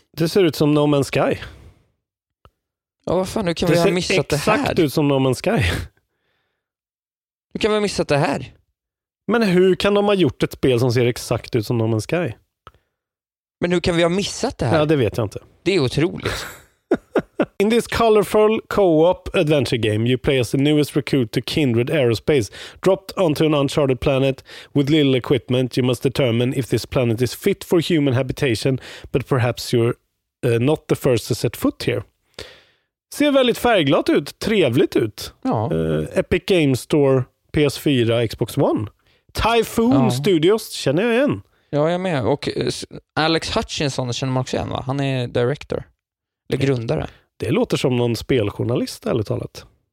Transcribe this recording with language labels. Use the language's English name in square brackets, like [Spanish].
[Swedish] det ser ut som No Man's Sky. Ja, vad fan, nu kan vi ha missat det här. Det ser exakt ut som No Man's Sky. Nu kan vi ha missat det här. Men hur kan de ha gjort ett spel som ser exakt ut som No Man's Sky? Men hur kan vi ha missat det här? Ja, det vet jag inte. Det är otroligt. [English] In this colorful co-op adventure game, you play as the newest recruit to Kindred Aerospace. Dropped onto an uncharted planet with little equipment, you must determine if this planet is fit for human habitation, but perhaps you're not the first to set foot here. [Swedish] Ser väldigt färgglatt ut, trevligt ut. Ja. Epic Games Store, PS4, Xbox One. Typhoon, ja. Studios, känner jag igen. Ja, jag är med. Och Alex Hutchinson känner man också igen, va? Han är director. Eller grundare. Det låter som någon speljournalist, ärligt talat.